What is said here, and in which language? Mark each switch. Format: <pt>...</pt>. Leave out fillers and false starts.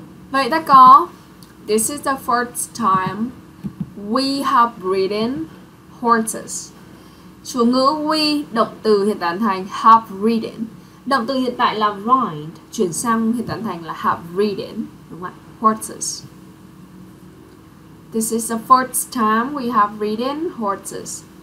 <vi>Vậy ta có</vi> <en>this is the first time we have ridden horses.</en> <vi>Chủ ngữ we, động từ hiện tại thành</vi> <en>have ridden.</en> <vi>Động từ hiện tại là ride, chuyển sang hiện tại thành là</vi> <en>have ridden,</en> <vi>đúng không ạ?</vi> <en>Horses. This is the first time we have ridden horses.</en>